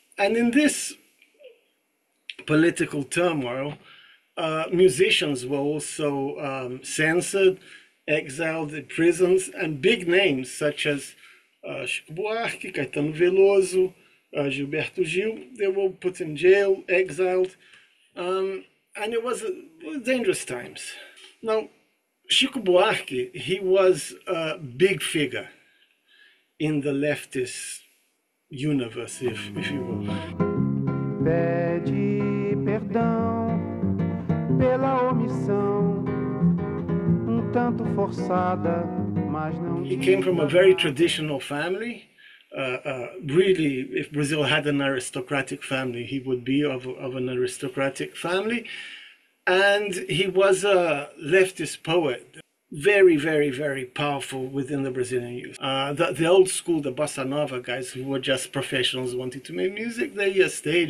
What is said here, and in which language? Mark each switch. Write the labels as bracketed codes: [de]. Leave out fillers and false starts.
[en] And in this political turmoil, musicians were also censored, exiled in prisons, and big names such as Chico Buarque, Caetano Veloso, Gilberto Gil, they were put in jail, exiled, and it was dangerous times. Now, Chico Buarque, he was a big figure in the leftist universe, if you will. [pt] Pede perdão pela omissão, um tanto forçada, mas não [en] He came from a [pt] diga. [en] very traditional family. Really, if Brazil had an aristocratic family, he would be of an aristocratic family. And he was a leftist poet, very, very, very powerful within the Brazilian youth. The old school, the Bossa Nova guys, who were just professionals wanting to make music, they stayed.